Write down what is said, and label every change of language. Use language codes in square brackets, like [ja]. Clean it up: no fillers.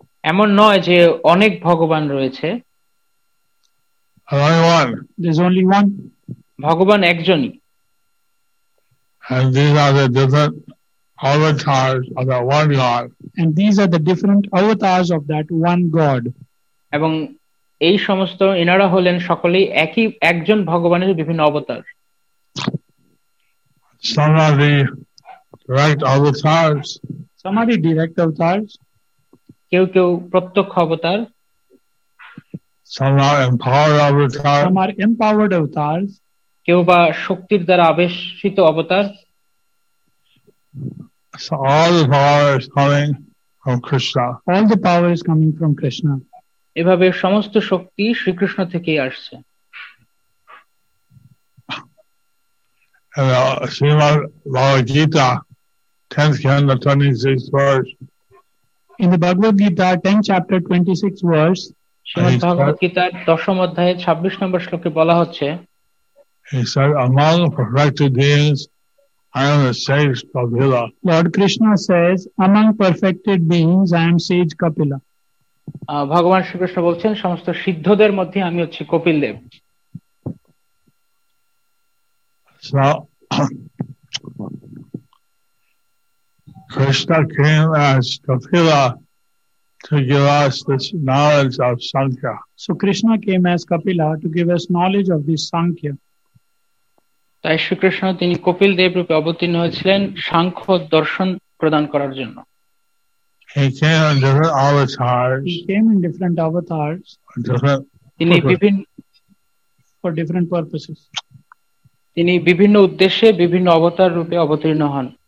[bn] এমন নয় যে অনেক ভগবান রয়েছে। [en] Only one. There's only one. [bn] ভগবান একজনই। [en] And these are the different avatars of that one god. And these are the different avatars of that one god. [bn] এবং এই সমস্ত এনারা হলেন সকলেই একই একজন ভগবানের বিভিন্ন অবতার। [en] Some are the right avatars. Somebody direct avatars. [bn] কেউ কেউ প্রত্যক্ষ অবতার. [en] Some are empowered avatars. Some are empowered avatars. [bn] কেউ বা শক্তির দ্বারা আবেশিত অবতার. [en] So all the power is coming from Krishna. All the power is coming from Krishna. [bn] এভাবে সমস্ত শক্তি শ্রীকৃষ্ণ থেকেই আসছে. [en] Srimad Bhagavad Gita, 10th canto, 26th verse. In the Bhagavad Gita, 10th chapter, 26th verse. [bn] Srimad Bhagavad Gita, 10th অধ্যায়ে 26 নম্বর শ্লোকে বলা হচ্ছে. [en] He said, among perfected beings, I am the sage Kapila. Lord Krishna says, among perfected beings, I am sage Kapila. [bn] ভগবান শ্রীকৃষ্ণ বলছেন সমস্ত সিদ্ধদের মধ্যে আমি হচ্ছি Kapil Dev. [en] Krishna came as Kapila to give us this knowledge of Sankhya. So Krishna came as Kapila to give us knowledge of this Sankhya. [bn] তাই শ্রীকৃষ্ণ তিনি কপিল দেব রূপে অবতীর্ণ হয়েছিলেন সাংখ্য দর্শন প্রদান করার জন্য. [en] He came in different avatars. He came in different avatars. [bn] তিনি বিভিন্ন [en] for different purposes. [bn] তিনি বিভিন্ন উদ্দেশ্যে বিভিন্ন অবতার রূপে অবতীর্ণ হন.